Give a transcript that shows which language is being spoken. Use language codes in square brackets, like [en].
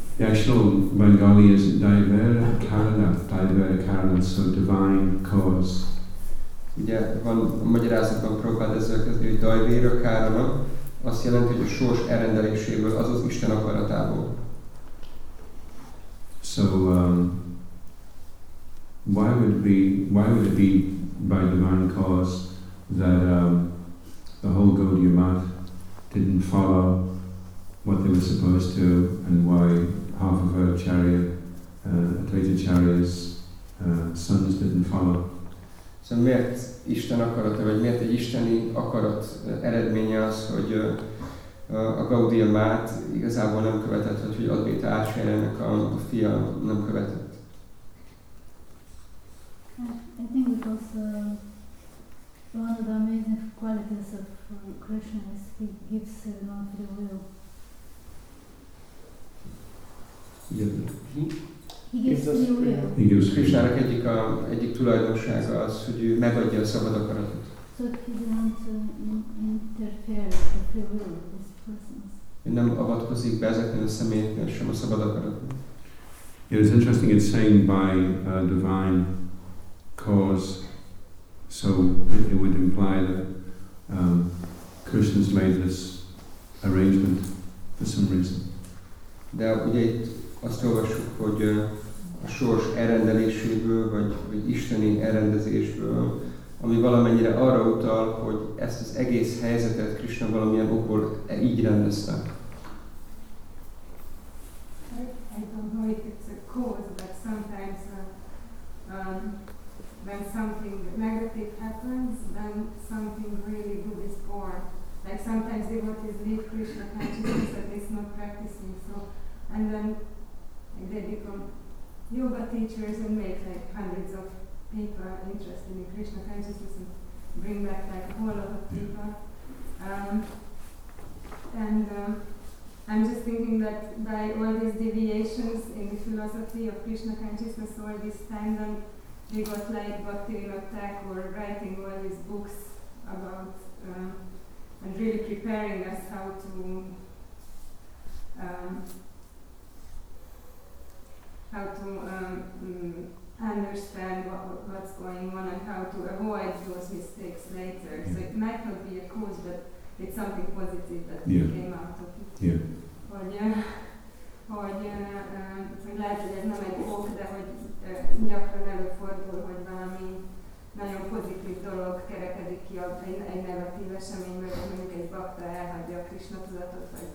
[en] The actual Bengali is divine karana, so divine cause. [hu] Ugye van a magyarázatban próbált ezzel kezdeni, hogy divine karana, azt jelenti, hogy a sors elrendeléséből, azaz Isten akaratából. [en] So why would it be by divine cause that the whole Gaudiya Math didn't follow what they were supposed to, and why half of her chariot, Advaita Charya's sons didn't follow. [hu] So miért Isten akarata, vagy miért egy isteni akarat eredménye az, hogy a Gaudiya Math igazából nem követett, vagy hogy Advaita Acharya-nak a fia nem követett? [en] I think because one of the amazing qualities of Krishna is he gives no free will. Yeah. He gives free will. [hu] Krishna egyik tulajdonsága az, hogy ő megadja a szabad akaratot. [en] So he doesn't interfere with the free will of his persons. [hu] Ő nem avatkozik be ezeknél a személyeknél sem a szabad akaratot. [en] It is interesting, it's saying by divine cause, so it would imply that Krishna's made this arrangement for some reason. [hu] De ugye itt azt olvassuk, hogy a sors elrendeléséből, vagy isteni elrendezésből, ami valamennyire arra utal, hogy ezt az egész helyzetet Krishna valamilyen okból így rendezte. [en] I don't know if it's a cause, but sometimes when something negative happens, then something really good is born. Like sometimes devotees leave Krishna consciousness and it's not practicing. So, and then like they become yoga teachers and make like hundreds of people interested in Krishna consciousness and bring back like a whole lot of people. I'm just thinking that by all these deviations in the philosophy of Krishna consciousness all this time, then we got like Bhaktivinoda Thakur writing all these books about and really preparing us how to understand what's going on and how to avoid those mistakes later. Yeah. So it might not be a cause, but it's something positive that yeah. came out of it. Yeah. Or, yeah. [hu] Hogy lehet, hogy ez nem egy ok, de hogy gyakran előfordul, hogy valami nagyon pozitív dolog kerekedik ki egy negatív eseményből, hogy mondjuk egy bakta elhagyja a Krishna tudatot,